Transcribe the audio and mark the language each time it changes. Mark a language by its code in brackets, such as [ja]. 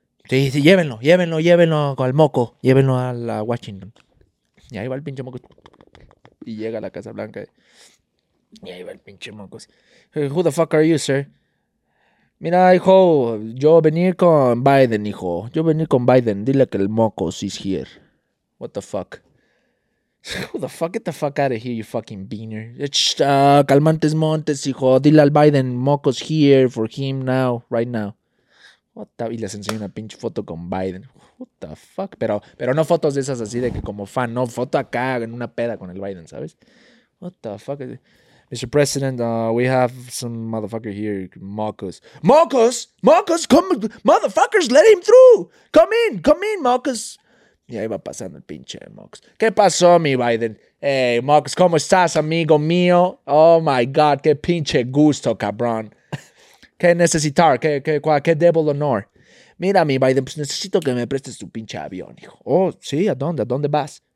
[es] Sí, sí, llévenlo al Moco. Llévenlo a la Washington. Y ahí va el pinche Moco. Y llega a la Casa Blanca. Y ahí va el pinche Moco. [en] Who the fuck are you, sir? [es] Mira, hijo, yo venir con Biden, hijo. Yo venir con Biden. Dile que el Moco [en] is here. What the fuck? Who the fuck? Get the fuck out of here, you fucking beaner. [es] Calmantes Montes, hijo. Dile al Biden, [en] Moco's here for him now, right now. [es] Y les enseño una pinche foto con Biden. [en] What the fuck. [es] Pero no fotos de esas así de que como fan. No, foto acá en una peda con el Biden, ¿sabes? [en] What the fuck. Mr. President, we have some motherfucker here. Mocos. Mocos. Mocos, come. Motherfuckers, let him through. Come in, Mocos. [es] Y ahí va pasando el pinche Mocos. ¿Qué pasó, mi Biden? Hey, Mocos, ¿cómo estás, amigo mío? [en] Oh, my God. [es] Qué pinche gusto, cabrón. ¿Qué necesitar? ¿Qué devil honor? Mira, mi Biden, pues necesito que me prestes tu pinche avión, hijo. Oh, sí, ¿a dónde? ¿A dónde vas?